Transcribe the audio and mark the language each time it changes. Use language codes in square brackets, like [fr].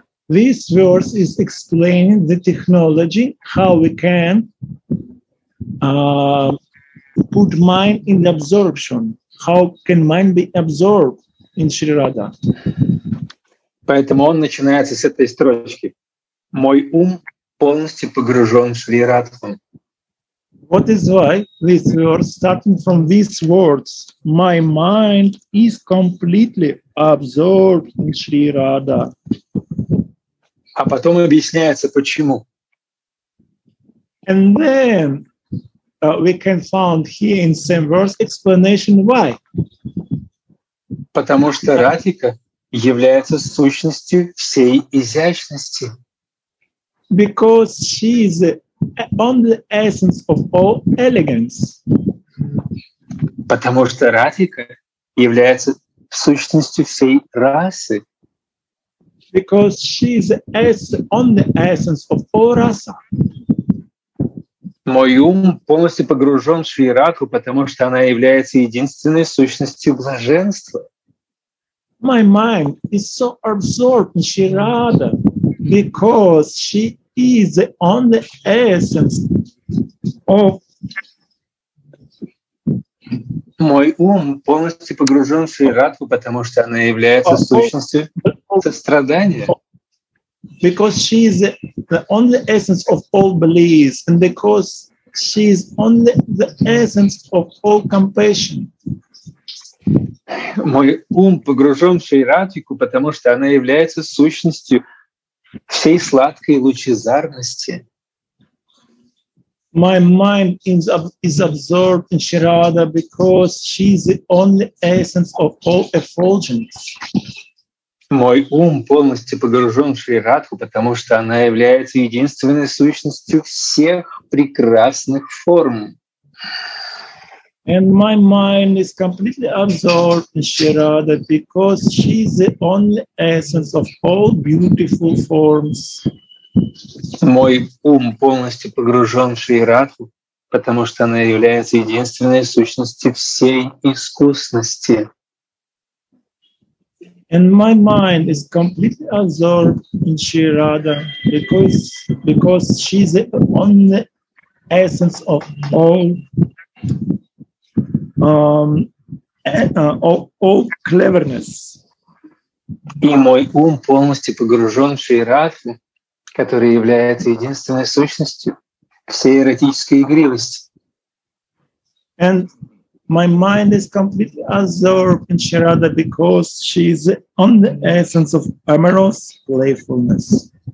[en] This verse is explaining the technology how we can put mind in absorption. How can mind be absorbed in Shri Radha? [ru] Поэтому он начинается с этой строчки. Мой ум полностью погружен в Шри Радху. [en] What is why this verse, starting from these words, my mind is completely absorbed in Shri Radha. [ru] А потом объясняется, почему. [en] And then we can find here in same verse explanation why. [ru] Потому что Радхика является сущностью всей изящности. [en] Because she is the only essence of all elegance. [ru] Потому что Радхика является сущностью всей расы. [en] Because she is the only essence of all rasa. [ru] Мой ум полностью погружен в Шри Радху, потому что она является единственной сущностью блаженства. [en] My mind is so absorbed in Shri Radha because she is the only essence of [ru] мой ум полностью погружен в Шри Радху, потому что она является сущностью сострадания. [en] Because she is the only essence of all bliss, and because she is only the essence of all compassion. [ru] Мой ум погружен в Шри Радху, потому что она является сущностью всей сладкой лучезарности. [en] My mind is absorbed in Shri Radha because she is the only essence of all effulgence. [ru] Мой ум полностью погружен в Шри Радху, потому что она является единственной сущностью всех прекрасных форм. [en] And my mind is completely absorbed in Shri Radha because she is the only essence of all beautiful forms. [ru] Мой ум полностью погружен в Шри Радху, потому что она является единственной сущностью всей искусности. [en] And my mind is completely absorbed in Shri Radha because she's the only essence of all cleverness. [ru] И мой ум полностью погружен в Шри Радху, который является единственной сущностью всей эротической игривости. [en] And my mind is completely absorbed in Shri Radha because she is on the essence of amorous playfulness.